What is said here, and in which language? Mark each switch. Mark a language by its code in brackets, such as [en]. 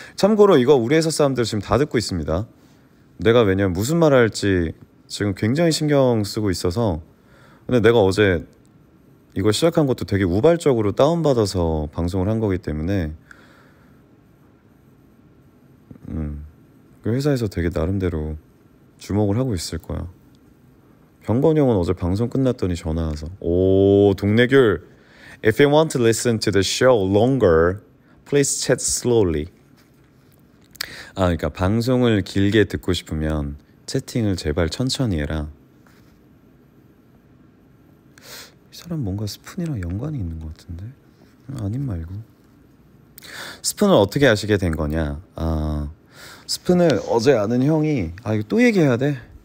[ko] 참고로 이거 우리 회사 사람들 지금 다 듣고 있습니다. 내가 왜냐면 무슨 말 할지 지금 굉장히 신경 쓰고 있어서. 근데 내가 어제 이거 시작한 것도 되게 우발적으로 다운받아서 방송을 한 거기 때문에 회사에서 되게 나름대로 주목을 하고 있을 거야. 병건이 형은 어제 방송 끝났더니 전화와서 오 동네귤 [en] If you want to listen to the show longer, please chat slowly. [ko] 아, 그러니까 방송을 길게 듣고 싶으면 채팅을 제발 천천히 해라. 이 사람 뭔가 스푼이랑 연관이 있는 것 같은데? 아님 말고. 스푼을 어떻게 아시게 된 거냐? 아, 스푼을 어제 아는 형이 아 이거 또 얘기해야 돼?